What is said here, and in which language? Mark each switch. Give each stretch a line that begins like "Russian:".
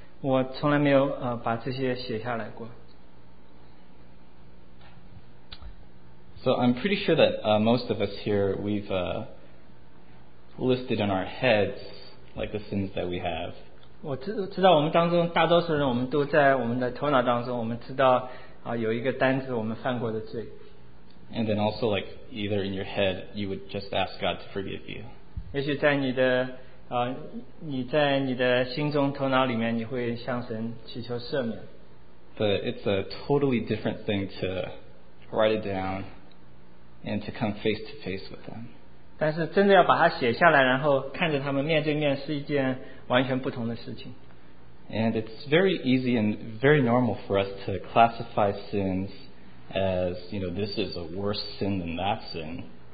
Chinese: 我从来没有把这些写下来过。
English: So I'm pretty sure that most of us here, we've listed in our heads like the sins that we have.
Chinese: 我知道我们当中大多数人，我们都在我们的头脑当中，我们知道啊有一个单子我们犯过的罪。
English: And then also like either in your head, you would just ask God to forgive you.
Chinese: 也许在你的 你在你的心中头脑里面你会向神祈求赦免。
English: But it's a totally different thing to write it down and to come face to face with them.
Chinese: 但是真的要把它写下来然后看着他们面对面是一件完全不同的事情。
English: And it's very easy and very normal for us to classify sins as, you know, this is a worse sin than that sin.